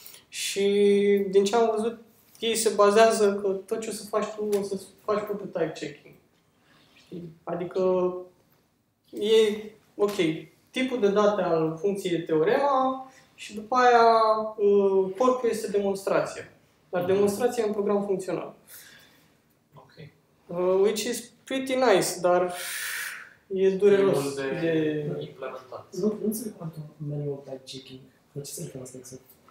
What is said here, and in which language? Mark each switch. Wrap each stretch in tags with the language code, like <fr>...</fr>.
<ro>Și din ce am văzut, ei se bazează că tot ce o să faci tu, o să faci pe type checking. Știi? Adică e ok. Tipul de date al funcției teorema și după aia corpul este demonstrația. Dar demonstrația e un program funcțional.</ro> <en>Okay. Which is pretty nice,</en> <ro>dar e dureros de implementat. Nu înțeleg cuvântul manual type checking. La ce se referă asta exact?</ro>